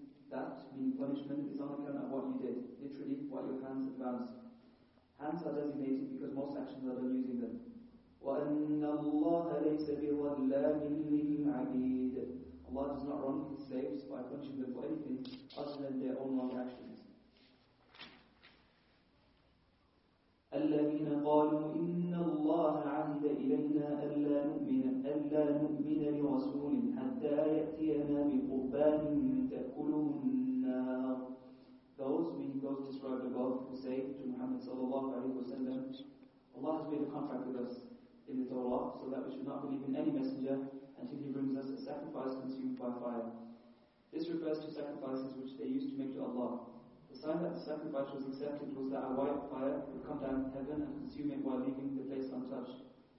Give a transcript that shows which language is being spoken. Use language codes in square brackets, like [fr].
[en] That, meaning punishment, is on account of what you did. Literally, what your hands advanced. Hands are designated because most actions are done using them. [ar] وَأَنَّ اللَّهَ لَيْسَ بِظَلَّامٍ لِلْعَبِيدِ. [en] Allah does not wrong His slaves by punishing them for anything other than their own wrong actions. [ar] الذين قالوا إن الله عهد إلينا ألا نؤمن لرسول حتى يأتينا بقربان تأكله النار. [en] Those meaning those described above who say to Muhammad sallallahu alaihi wasallam, Allah has made a contract with us in the Torah so that we should not believe in any messenger until He brings us a sacrifice consumed by fire. This refers to sacrifices which they used to make to Allah. The sign that the sacrifice was accepted was that a white fire would come down from heaven and consume it while leaving the place untouched.